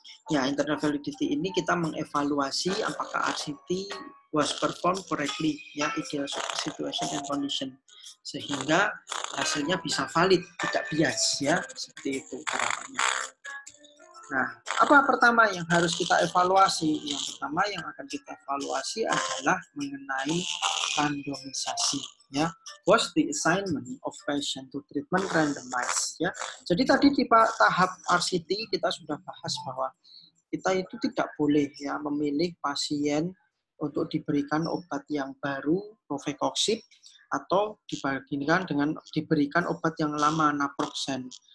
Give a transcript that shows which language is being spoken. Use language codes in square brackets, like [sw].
[id] Ya, internal validity ini kita mengevaluasi apakah [en] RCT was performed correctly, [id] ya, [en] ideal situation and condition, [id] sehingga hasilnya bisa valid, tidak bias, ya, seperti itu harapannya. Nah, apa pertama yang harus kita evaluasi? Yang pertama yang akan kita evaluasi adalah mengenai randomisasi. [en] Ya, was the assignment of patient to treatment randomized. [id] Ya, jadi tadi di tahap RCT kita sudah bahas bahwa kita itu tidak boleh ya memilih pasien untuk diberikan obat yang baru rofecoxib atau dibandingkan dengan diberikan obat yang lama naproxen.